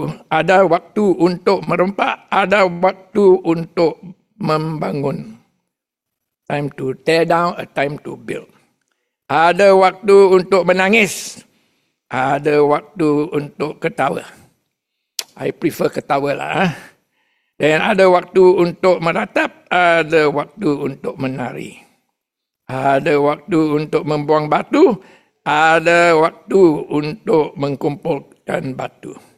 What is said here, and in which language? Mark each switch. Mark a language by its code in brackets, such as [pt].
[id] Ada waktu untuk merompak, ada waktu untuk membangun. [en] Time to tear down, a time to build. [id] Ada waktu untuk menangis, ada waktu untuk ketawa. [en] I prefer [id] ketawa lah. Dan ada waktu untuk meratap, ada waktu untuk menari. Ada waktu untuk membuang batu, ada waktu untuk mengumpulkan batu.